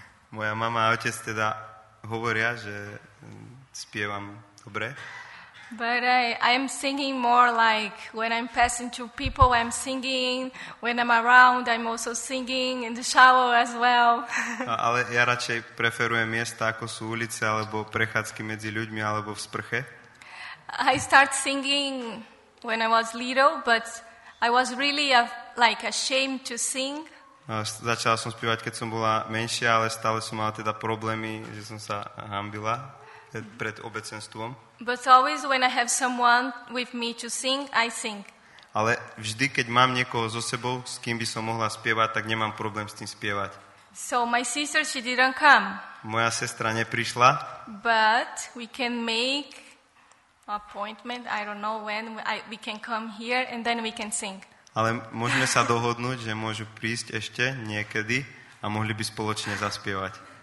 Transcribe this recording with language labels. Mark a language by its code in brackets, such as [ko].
[sk] Moja mama a otec teda hovoria, že spievam dobre. [en] But I'm singing more like when I'm passing through people, I'm singing. When I'm around, I'm also singing in the shower as well. [sk] Ale ja radšej preferujem miesta, ako sú ulice, alebo prechádzky medzi ľuďmi, alebo v sprche. [en] I start singing when I was little, but I was really ashamed to sing. [sk] Začala som spievať, keď som bola menšia, ale stále som mala teda problémy, že som sa hanbila pred obecenstvom. [en] But always when I have someone with me to sing, I sing. [sk] Ale vždy, keď mám niekoho so sebou, s kým by som mohla spievať, tak nemám problém s tým spievať. [en] So my sister, she didn't come. [sk] Moja sestra neprišla. [en] But we can make appointment, I don't know when, we can come here and then we can sing. [sk] Ale môžeme sa dohodnúť, že môžu prísť ešte niekedy a mohli by spoločne zaspievať.